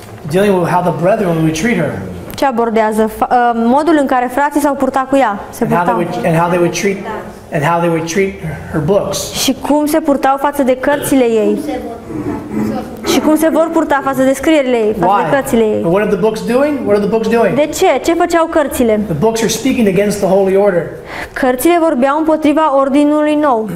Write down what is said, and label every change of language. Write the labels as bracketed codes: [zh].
[en] Dealing with how the brethren will treat her. [ro] Ce abordează? Modul în care frații s-au purtat cu ea. Se purtau. [en] And how they would treat her books. [ro] Și cum se purtau față de cărțile ei. Și cum se vor purta față de scrierile ei, față [en] Why? [ro] De cărțile ei. [en] What are the books doing? What are the books doing? [ro] De ce? Ce făceau cărțile? [en] The books are speaking against the holy order. [ro] Cărțile vorbeau împotriva ordinului nou.